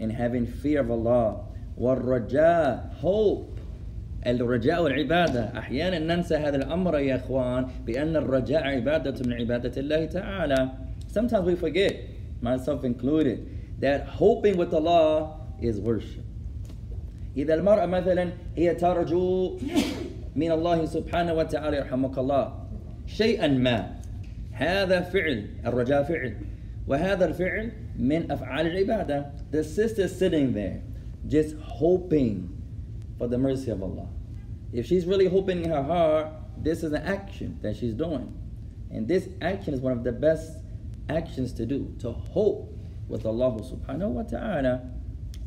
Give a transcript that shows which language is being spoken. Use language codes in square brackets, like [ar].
[en] In having fear of Allah. [ar] وَالرَّجَاءِ. [en] Hope. [ar] الرَّجَاءُ وَالْعِبَادَةِ. أَحْيَانًا نَنْسَى هَذَا الْأَمْرَ يَا أَخْوَانَ بِأَنَّ الرَّجَاءَ عِبَادَةٌ مِنْ عِبَادَةِ اللَّهِ تَعَالَى. [en] Sometimes we forget, myself included, that hoping with Allah is worship. [ar] إِذَا الْمَرْأَ مَثَلًا هِيَ تَرْجُو من الله سبحانه وتعالى يرحمك الله شيئا ما. هذا فعل الرجاء فعل وهذا الفعل من أفعال العبادة. [en] The sister sitting there just hoping for the mercy of Allah. If she's really hoping in her heart, this is an action that she's doing, and this action is one of the best actions to do, to hope with Allah [ar] سبحانه وتعالى.